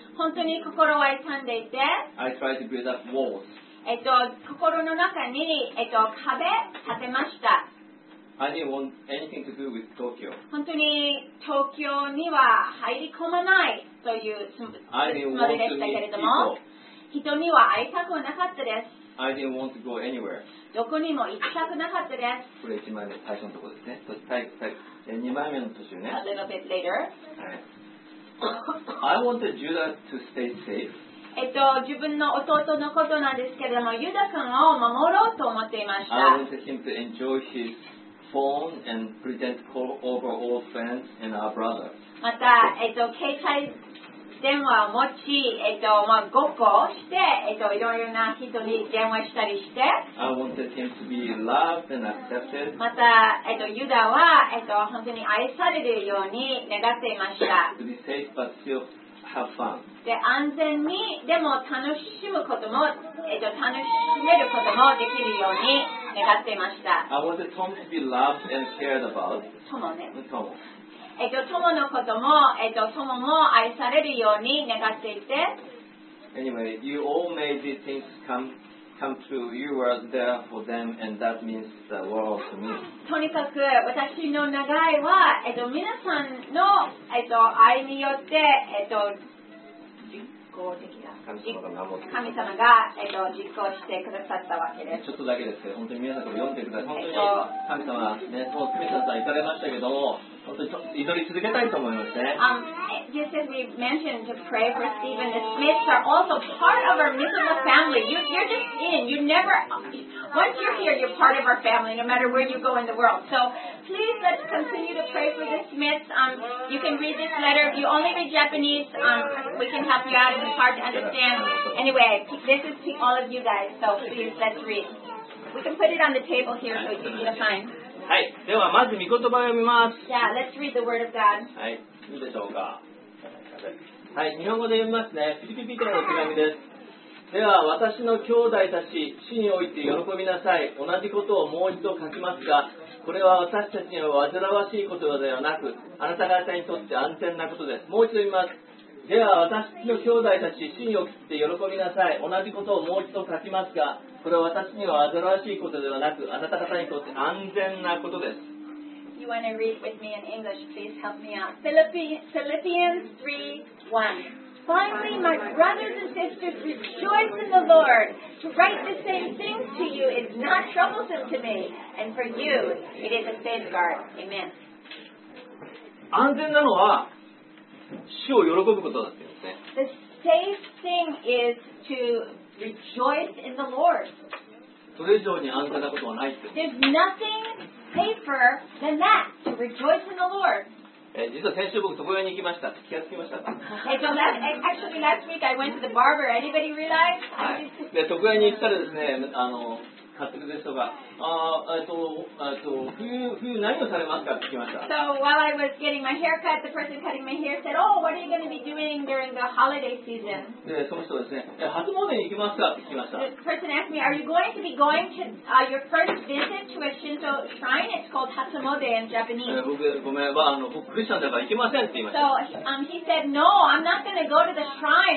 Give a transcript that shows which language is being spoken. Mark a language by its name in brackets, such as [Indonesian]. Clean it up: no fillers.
[Japanese] 本当に心は痛んでいて、 [English] I tried to build up walls. [Japanese] 心の中に、壁建てました。 [English] I didn't want anything to do with Tokyo. [Japanese] 本当に東京には入り込まないというつもりでしたけれども、人には会いたくなかったです。 [English] I didn't want to go anywhere. [Japanese] どこにも行きたくなかったです。これ1枚目、最初のところですね。そして2枚目の途中ね。 [English] A little bit later. I wanted Judah to stay safe. [Japanese] 自分の弟のことなんですけれども、ユダ君を守ろうと思っていました。 [English] I wanted him to enjoy his phone and pretend to call over all friends and our brother. [Japanese] また、携帯電話を持ち、ごっこをして、いろいろな人に電話したりして。 [English] I wanted him to be loved and accepted. [Japanese] また、ユダは、本当に愛されるように願っていました。 [English] To be safe but still have fun. [Japanese] で安全にでも楽しむことも、楽しめることもできるように願っていました。 [English] I wanted Tom to be loved and cared about. [Japanese] トモね。トモ。トモのことも、トモも愛されるように願っていて。 [English] Anyway, you all made these things come come true. You were there for them, and that means the world to me. [Japanese] とにかく私の願いは、皆さんの愛によって、神様が、実行してくださったわけです。ちょっとだけですけど、本当に皆さんこれ読んでください。本当に神様は、ね、そう皆さん行かれましたけども、本当に祈り続けたいと思いますね。 [English] Just as we mentioned, to pray for Stephen, the Smiths are also part of our miserable family. You're just in. You never, once you're here, you're part of our family, no matter where you go in the world. So please, let's continue to pray for the Smiths. You can read this letter. If you only read Japanese, we can help you out. It's hard to understand. Anyway, this is to all of you guys. So please, let's read. We can put it on the table here so it's easy to find. [Japanese] はい、ではまず御言葉を読みます。 [English] Yeah, let's read the word of God. [Japanese] はい、いいでしょうか。はい、日本語で読みますね。フィリピ・ピテロの手紙です。では私の兄弟たち、主において喜びなさい。同じことをもう一度書きますが、これは私たちには煩わしいことではなく、あなた方にとって安全なことです。もう一度読みます。では私の兄弟たち、主において喜びなさい。同じことをもう一度書きますが、これは私には煩わしいことではなく、あなた方にとって安全なことです。 [English] You want to read with me in English, please help me out. Philippians 3:1. Finally, my brothers and sisters, rejoice in the Lord. To write the same things to you is not troublesome to me, and for you it is a safeguard. Amen. [Japanese] 安全なのは主を喜ぶことだって言うんですね。 [English] The safe thing is to rejoice in the Lord. [Japanese] それ以上に安全なことはないって。 [English] There's nothing safer than that, to rejoice in the Lord. [Japanese] 実は先週僕床屋に行きました。気がつきましたか？ [English] Actually, last week I went to the barber. Anybody realize? [Japanese] で、床屋に行ったらですね、買ってくれる人が、冬何をされますかって聞きました。 [English] So while I was getting my hair cut, the person cutting my hair said, Oh, what are you going to be doing during the holiday season? [Japanese] で、その人ですね、初詣に行きますかって聞きました。 [English] The person asked me, Are you going to be going to、your first visit to a Shinto shrine? It's called Hatsumode in Japanese. [Japanese] 僕、ごめん、僕クリスチャンだから行けませんって言いました。 [English] So、he said, No, I'm not going to go to the shrine.